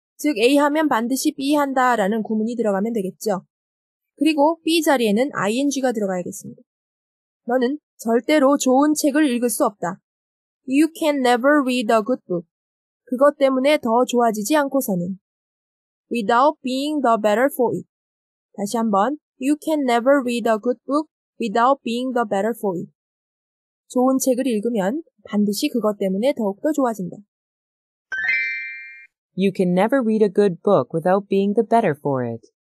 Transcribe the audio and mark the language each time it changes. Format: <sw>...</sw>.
<ko>즉, A 하면 반드시 B 한다라는 구문이 들어가면 되겠죠. 그리고 B 자리에는 ing가 들어가야겠습니다. 너는 절대로 좋은 책을 읽을 수 없다.</ko> <en>You can never read a good book.</en> <ko>그것 때문에 더 좋아지지 않고서는.</ko> <en>Without being the better for it.</en> <ko>다시 한번.</ko> <en>You can never read a good book without being the better for it.</en> <ko>좋은 책을 읽으면 반드시 그것 때문에 더욱더 좋아진다.</ko> <en>You can never read a good book without being the better for it.</en>